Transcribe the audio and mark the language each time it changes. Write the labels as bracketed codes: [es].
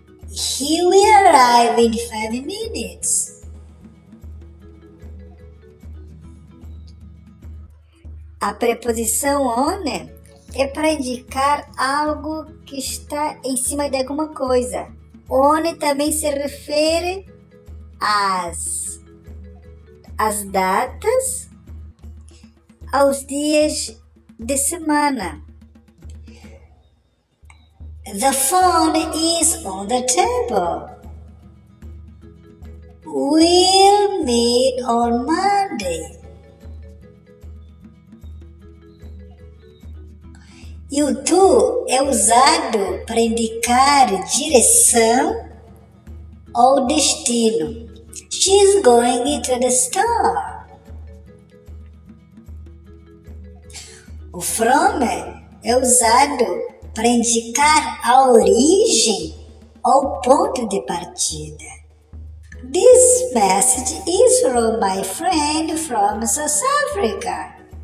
[en] He will arrive in 5 minutes. [pt] A preposição on é para indicar algo que está em cima de alguma coisa. On também se refere às datas, aos dias de semana. [en] The phone is on the table. We'll meet on Monday. [pt] E o to é usado para indicar direção ou destino. [en] She's going to the store. [pt] O from é usado para indicar a origem ou ponto de partida. [en] This message is from my friend from South Africa.